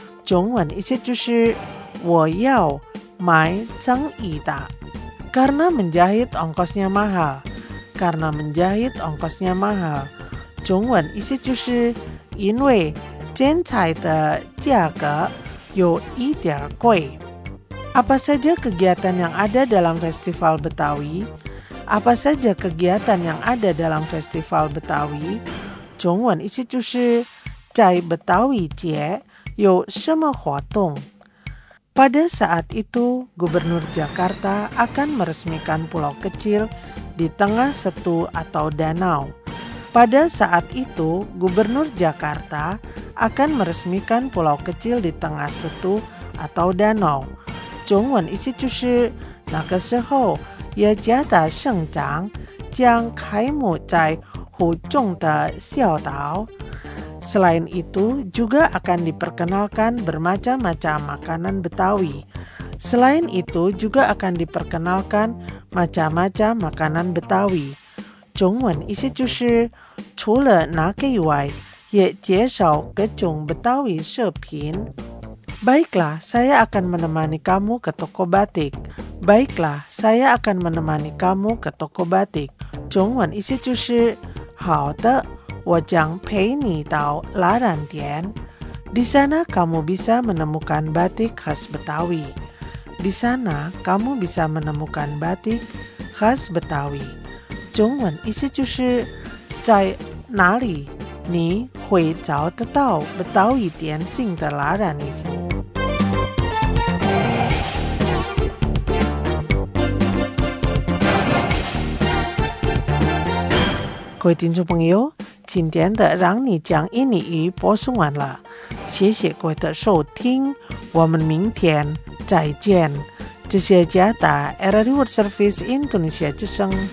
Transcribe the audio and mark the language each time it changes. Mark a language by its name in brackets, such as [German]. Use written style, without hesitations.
[Chinese] 中文意思就是我要买正义的。 [Indonesian] Karena menjahit ongkosnya mahal. Karena menjahit ongkosnya mahal. [Chinese] 中文意思就是因为剪裁的价格有一点贵。 [Indonesian] Apa saja kegiatan yang ada dalam Festival Betawi? Apa saja kegiatan yang ada dalam Festival Betawi? [Chinese] 中文意思就是在 Betawi 节有什么活动? [Indonesian] Pada saat itu, Gubernur Jakarta akan meresmikan pulau kecil di tengah setu atau danau. Pada saat itu, Gubernur Jakarta akan meresmikan pulau kecil di tengah setu atau danau. [Chinese] 中文意思就是那个时候雅加达省长将开幕在湖中的小岛。 [Indonesian] Selain itu, juga akan diperkenalkan bermacam-macam makanan Betawi. Selain itu, juga akan diperkenalkan macam-macam makanan Betawi. [Chinese] 中文意思就是除了那个以外也介绍各种 Betawi 食品。 [Indonesian] Baiklah, saya akan menemani kamu ke toko batik. Baiklah, saya akan menemani kamu ke toko batik. [Chinese] 中文意思就是好的，我将陪你到拉染店。 [Indonesian] Di sana kamu bisa menemukan batik khas Betawi. Di sana kamu bisa menemukan batik khas Betawi. [Chinese] 中文意思就是在哪里你会找得到 Betawi 典型的拉染衣服。各位听众朋友，今天的让你讲印尼语播送完了，谢谢各位的收听，我们明天再见。这些加达 RRI World Service Indonesia 之声。